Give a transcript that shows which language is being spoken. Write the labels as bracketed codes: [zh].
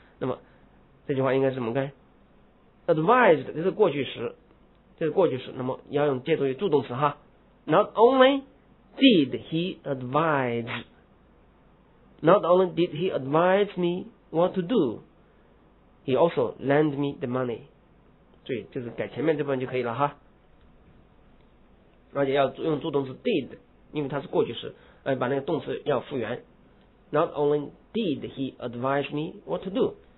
[zh] 那么这句话应该是怎么跟 advised， 这是过去时，这是过去时，那么要用借助于助动词哈。 [en] Not only did he advise. Not only did he advise me what to do, he also lent me the money. [zh] 对，就是改前面这部分就可以了哈。而且要用助动词 did， 因为它是过去时，把那个动词要复原。 [en] Not only did he advise me what to do.